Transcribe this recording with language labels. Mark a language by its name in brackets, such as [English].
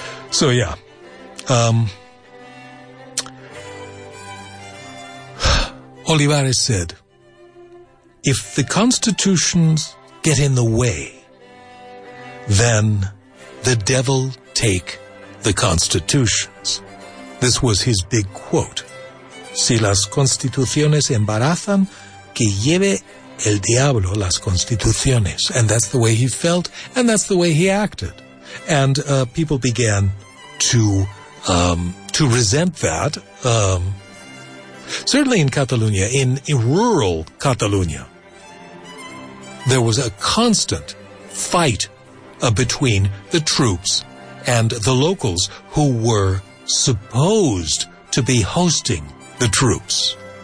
[English] So yeah, Olivares said, if the constitutions get in the way, then the devil take the constitutions. This was his big quote. [Spanish] Si las constituciones embarazan, que lleve el diablo las constituciones. [English] And that's the way he felt, and that's the way he acted. And people began to resent that. Certainly in Catalonia, in rural Catalonia, there was a constant fight between the troops and the locals who were supposed to be hosting the troops.